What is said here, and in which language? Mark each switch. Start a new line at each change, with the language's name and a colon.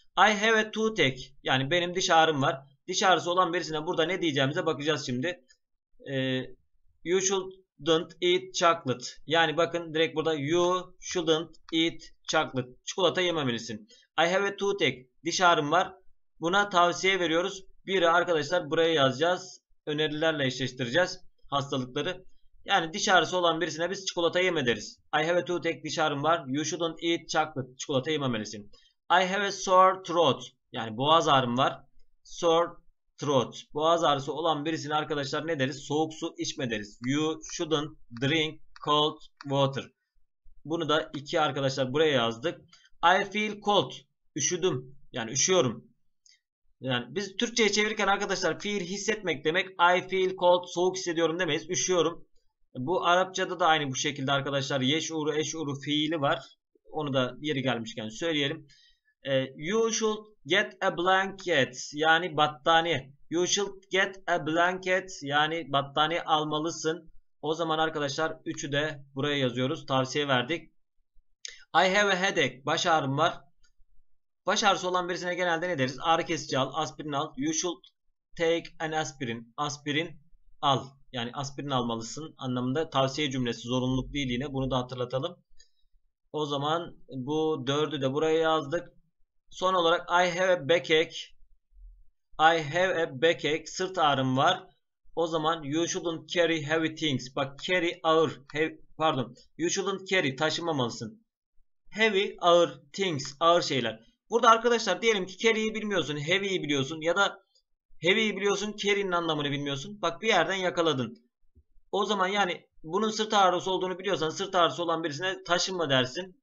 English: I have a toothache.
Turkish: Yani benim diş ağrım var. Diş ağrısı olan birisine burada ne diyeceğimize bakacağız şimdi.
English: You shouldn't eat chocolate.
Turkish: Yani bakın direkt burada
English: you shouldn't eat chocolate.
Turkish: Çikolata yememelisin.
English: I have a toothache.
Turkish: Diş ağrım var. Buna tavsiye veriyoruz. Biri arkadaşlar buraya yazacağız. Önerilerle eşleştireceğiz hastalıkları. Yani diş ağrısı olan birisine biz çikolata yeme deriz.
English: I have a toothache,
Turkish: diş ağrım var.
English: You shouldn't eat chocolate.
Turkish: Çikolata yememelisin.
English: I have a sore throat.
Turkish: Yani boğaz ağrım var.
English: Sore throat.
Turkish: Boğaz ağrısı olan birisine arkadaşlar ne deriz? Soğuk su içme deriz.
English: You shouldn't drink cold water.
Turkish: Bunu da iki arkadaşlar buraya yazdık.
English: I feel cold.
Turkish: Üşüdüm. Yani üşüyorum. Yani biz Türkçe'ye çevirirken arkadaşlar feel hissetmek demek.
English: I feel cold.
Turkish: Soğuk hissediyorum demeyiz. Üşüyorum. Bu Arapçada da aynı bu şekilde arkadaşlar yeşuru eşuru fiili var. Onu da yeri gelmişken söyleyelim.
English: You should get a blanket.
Turkish: Yani battaniye.
English: You should get a blanket.
Turkish: Yani battaniye almalısın. O zaman arkadaşlar 3'ü de buraya yazıyoruz. Tavsiye verdik.
English: I have a headache.
Turkish: Baş ağrım var. Baş ağrısı olan birisine genelde ne deriz? Ağrı kesici al, aspirin al.
English: You should take an aspirin.
Turkish: Aspirin al. Yani aspirin almalısın anlamında tavsiye cümlesi zorunluluk değil yine bunu da hatırlatalım. O zaman bu 4'ü de buraya yazdık.
English: Son olarak I have a backache. I have a backache.
Turkish: Sırt ağrım var. O zaman
English: you shouldn't carry heavy things.
Turkish: Bak carry ağır. Pardon.
English: You shouldn't carry taşımamalısın. Heavy ağır things
Turkish: ağır şeyler. Burada arkadaşlar diyelim ki carry'i bilmiyorsun, heavy'i biliyorsun ya da heavy'i biliyorsun, carry'nin anlamını bilmiyorsun. Bak bir yerden yakaladın. O zaman yani bunun sırt ağrısı olduğunu biliyorsan sırt ağrısı olan birisine taşınma dersin.